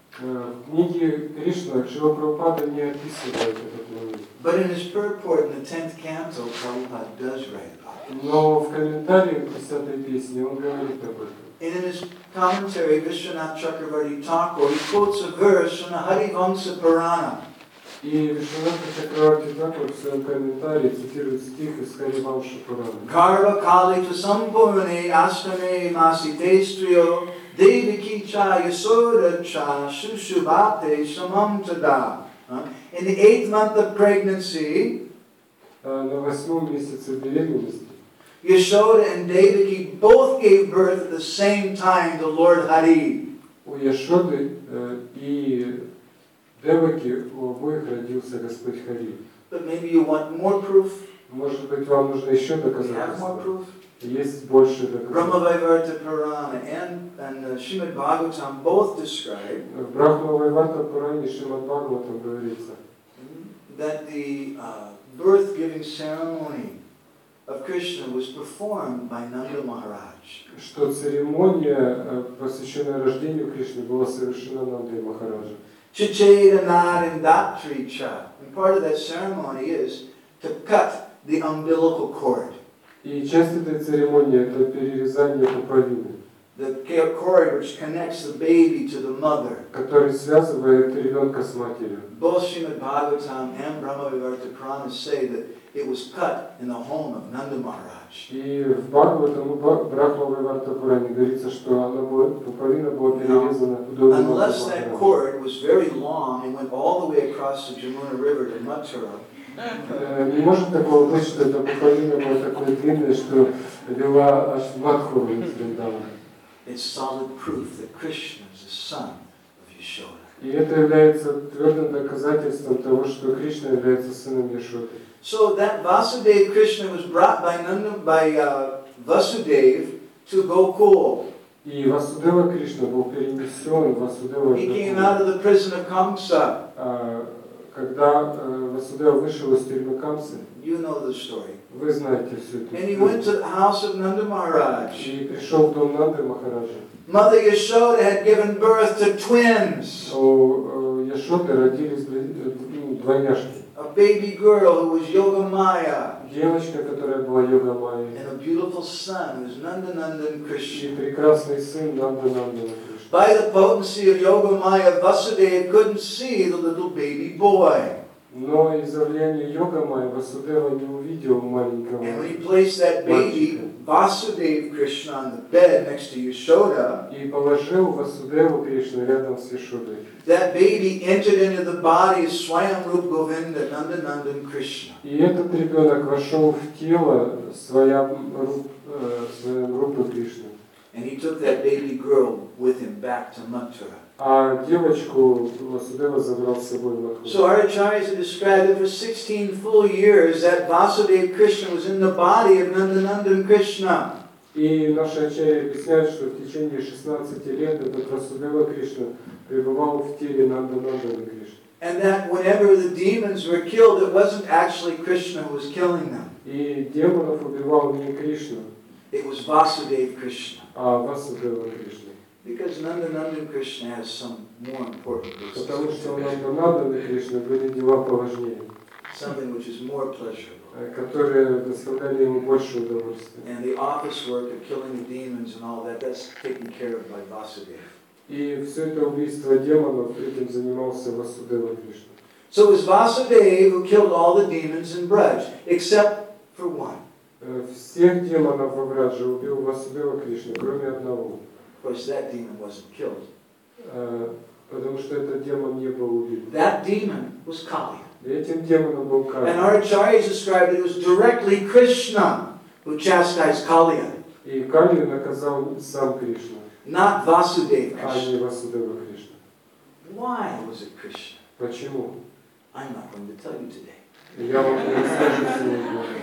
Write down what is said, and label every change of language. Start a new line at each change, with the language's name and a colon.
Russian: В книге Кришна Шрила Прабхупада не описывает этот момент.
English: But in his purport in the 10th canto, Prabhupada does write about it.
Russian: Но в комментариях к 10-й песне он говорит об этом.
English: And in his commentary, Vishwanath Chakravarti Thakur, he quotes a verse from the Harivamsa Purana.
Russian: И Вишванатха Чакраварти Тхакур в своем комментарии цитирует стих из Харивамса Пурана.
Sanskrit: Карва кали ча сампурне астаме маси тестрио Devaki cha yasoda cha shushubhate samam tada.
English: In the 8th month of pregnancy,
Russian: на 8-м месяце беременности,
English: Yashoda and Devaki both gave birth at the same time to Lord Hari.
Russian: У Яшоды и Девоки у обоих родился Господь Хари.
English: But maybe you want more proof.
Russian: Может быть, вам нужно еще доказательства?
English: More proof?
Russian: Есть больше доказательств.
English: Brahma Vaivarta Purana and Srimad Bhagavatam both describe.
Russian: В Брахма Вайварта Пуране Шримад Бхагаватам говорится.
English: That the birth-giving ceremony of Krishna was performed by Nanda Maharaj.
Russian: Что церемония, посвященная рождению Кришны, была совершена Нандой Махараджем. Chaitanya Narindatri Cha.
English: And part of that ceremony is to cut the umbilical cord.
Russian: И часть этой церемонии — это перерезание пуповины.
English: The cord which connects the baby to the mother.
Russian: Который связывает ребенка с матерью.
English: Both Srimad Bhagavatam and Brahma Vivarta Purana say that it was cut in the home of Nanda Maharaj.
Russian: И в Бхагаватам, Брахма Вайварта Пуране говорится, что она была, пуповина была перерезана в доме.
English: Unless that cord was very long and went all the way across the Jamuna River to Mathura.
Russian: Не может такого быть, что эта пуповина была такой длинной, что вела аж в Мадхуру из Вриндавана.
English: It's solid proof that Krishna is the son of Yashoda.
Russian: И это является твердым доказательством того, что Кришна является сыном Яшоды.
English: So that Vasudeva Krishna was brought by Nanda, by Vasudev to Gokul.
Russian: И Васудева Кришна был перенесен в Васудева.
English: He came out of the prison of Kamsa.
Russian: Когда Васудева вышел из тюрьмы Камсы,
English: you know the story.
Russian: Вы знаете всю эту историю.
English: And he went to the house of Nanda Maharaj.
Russian: И пришел в дом Нанды Махараджа.
English: Mother Yashoda had given birth to twins.
Russian: У Яшоды родились двойняшки.
English: A baby girl who was Yoga Maya.
Russian: Девочка, которая была Йога Майя.
English: And a beautiful son who was Nandanandan Krishna.
Russian: И прекрасный сын Нандананда Кришна.
English: By the potency of Yoga Maya, Vasudeva couldn't see the little baby boy.
Russian: Но из-за влияния Йога Майя Васудева не увидел маленького мальчика.
English: And when he placed that baby Vasudeva Krishna on the bed next to Yashoda.
Russian: И положил Васудеву Кришну рядом с Яшодой.
English: That baby entered into the body of Swayamrupa Govinda Nandanandan Krishna.
Russian: И этот ребенок вошел в тело Свайамрупа Кришны.
English: And he took that baby girl with him back to Mathura.
Russian: А девочку Васудева забрал с собой в Мадхуру.
English: So our acharyas described that for 16 full years that Vasudeva Krishna was in the body of Nandanandan Krishna.
Russian: И наши ачарьи объясняют, что в течение 16 лет этот Васудева Кришна пребывал в теле Нандананданы Кришны.
English: And that whenever the demons were killed, it wasn't actually Krishna who was killing them.
Russian: И демонов убивал не Кришна.
English: It was Vasudeva Krishna.
Russian: А Васудева Кришна.
English: Because Nandanandan Krishna has some more important business.
Russian: Потому что у Нандананданы Кришны были дела поважнее.
English: Something which is more pleasurable.
Russian: Которые доставляли ему больше удовольствия.
English: And the office work of killing the demons and all that's taken care of by Vasudeva.
Russian: И все это убийство демонов, этим занимался Васудева Кришна.
English: So it was Vasudeva who killed all the demons in Braj, except for one.
Russian: Всех демонов во Врадже убил Васудева Кришна, кроме одного.
English: That demon wasn't killed.
Russian: Потому что этот демон не был убит.
English: That demon was Kali.
Russian: Этим демоном был Кали.
English: And our acharyas described that it was directly Krishna who chastised Kali.
Russian: И Кали наказал сам Кришна.
English: Not Vasudeva Krishna.
Russian: А не Васудева Кришна.
English: Why was it Krishna?
Russian: Почему?
English: I'm not going to tell you today.
Russian: Я вам не расскажу сегодня.